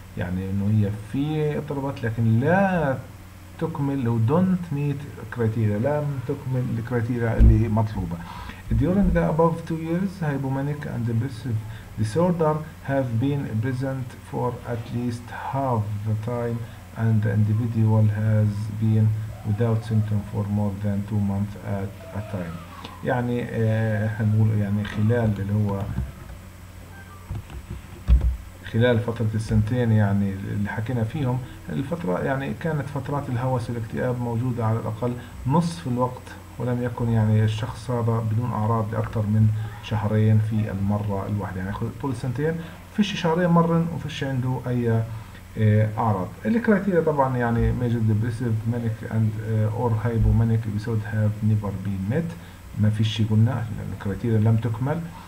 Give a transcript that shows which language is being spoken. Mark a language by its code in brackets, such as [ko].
[ar] يعني انه هي في اضطرابات لكن لا تكمل او [en] don't meet criteria, [ar] لم تكمل الكريتيريا اللي مطلوبة. [en] During the above 2 years, hypomanic and depressive disorder have been present for at least half the time and the individual has been without symptom for more than 2 months at a time. [ar] يعني هنقول يعني خلال اللي هو خلال فترة السنتين يعني اللي حكينا فيهم الفترة يعني كانت فترات الهوس والاكتئاب موجودة على الأقل نصف الوقت ولم يكن يعني الشخص هذا بدون أعراض لأكثر من شهرين في المرة الواحدة, يعني طول السنتين فيش شهرين مرة وفيش عنده أي أعراض. الكريتيريا طبعا يعني [en] major depressive manic and or hypomanic episode have never been met, [ar] ما فيش قلنا الكريتيريا لم تكمل.